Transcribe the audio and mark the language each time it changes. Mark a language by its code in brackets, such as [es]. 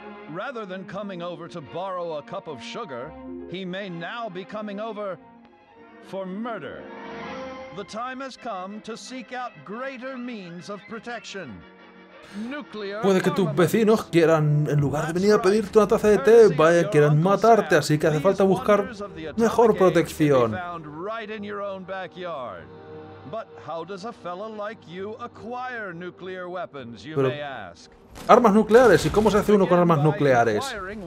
[en] Rather than coming over to borrow a cup of sugar, he may now be coming over for murder. The time has come to seek out greater means of protection. Nuclear. [es] Puede que tus vecinos quieran, en lugar de venir a pedirte una taza de té, vaya, quieran matarte, así que hace falta buscar mejor protección. [en] Right in your own backyard. But how does a fella like you acquire nuclear weapons, you may ask? [es] Armas nucleares, ¿y cómo se hace uno con armas nucleares?